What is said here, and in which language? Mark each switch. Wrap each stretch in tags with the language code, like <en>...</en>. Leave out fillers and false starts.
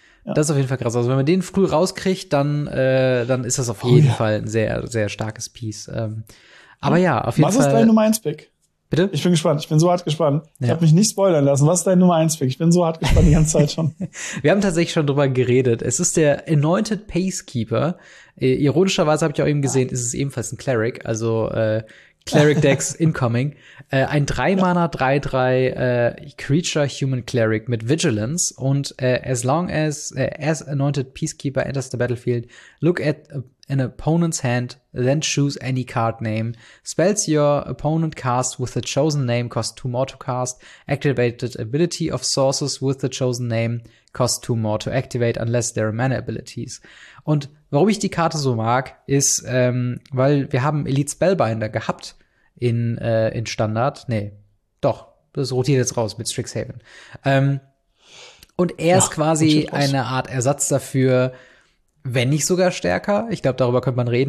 <de>Das ist auf jeden Fall krass. Also wenn man den früh rauskriegt, dann ist das auf jeden Fall ein sehr, sehr starkes Piece. Aber ja, auf jeden Was Fall. Was ist dein Nummer 1 Pick? Bitte? Ich bin gespannt. Ich bin so hart gespannt. Ja. Ich habe mich nicht spoilern lassen. Was ist dein Nummer 1 Pick? Ich bin so hart gespannt die ganze Zeit schon. Wir haben tatsächlich schon drüber geredet. Es ist der Anointed Pacekeeper. Ironischerweise habe ich auch eben gesehen, ist es ebenfalls ein Cleric. Also Cleric Dex incoming. Ein 3-Mana 3-3 Creature Human Cleric mit Vigilance.</de> <en>Und as Anointed Peacekeeper enters the battlefield, look at an opponent's hand, then choose any card name. Spells your opponent cast with the chosen name cost 2 more to cast. Activated ability of sources with the chosen name cost 2 more to activate unless there are mana abilities.</en> <de>Und warum ich die Karte so mag, ist, weil wir haben Elite Spellbinder gehabt in Standard. Nee, doch, das rotiert jetzt raus mit Strixhaven. Und er ist quasi eine Art Ersatz dafür, wenn nicht sogar stärker. Ich glaube, darüber könnte man reden.</de>